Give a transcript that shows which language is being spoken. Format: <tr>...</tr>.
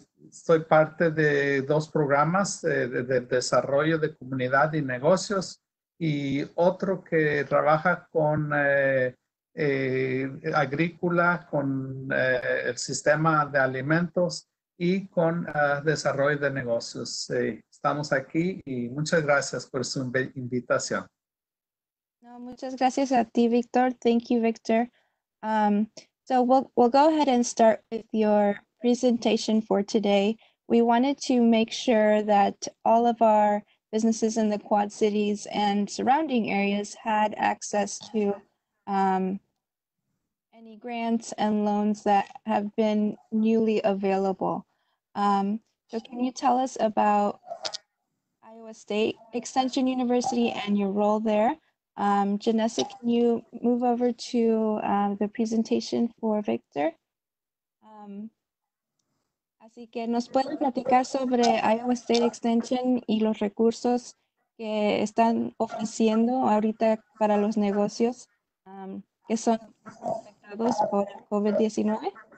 <es>Soy parte de dos programas de desarrollo de comunidad y negocios y otro que trabaja con agrícola, con el sistema de alimentos y con desarrollo de negocios. Estamos aquí y muchas gracias por su invitación. No, muchas gracias a ti, Victor.</es> <en>Thank you, Victor. So we'll go ahead and start with your presentation for today. We wanted to make sure that all of our businesses in the Quad Cities and surrounding areas had access to any grants and loans that have been newly available. So can you tell us about Iowa State Extension University and your role there? Janessa, can you move over to the presentation for Victor?</en> <es>Así que nos pueden platicar sobre Iowa State Extension y los recursos que están ofreciendo ahorita para los negocios que son afectados por COVID-19?</es>